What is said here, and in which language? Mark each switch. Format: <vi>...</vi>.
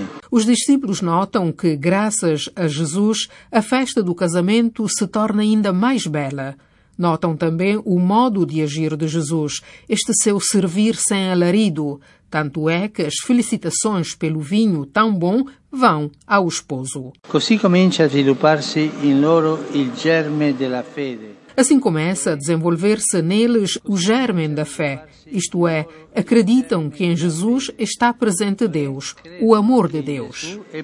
<pt>Os discípulos notam que, graças a Jesus, a festa do casamento se torna ainda mais bela. Notam também o modo de agir de Jesus, este seu servir sem alarido. Tanto é que as felicitações pelo vinho tão bom vão ao esposo.</pt> <it>Così comincia a svilupparsi in loro il germe della fede.</it> <pt>Assim começa a desenvolver-se neles o germen da fé, isto é, acreditam que em Jesus está presente Deus, o amor de Deus.</pt>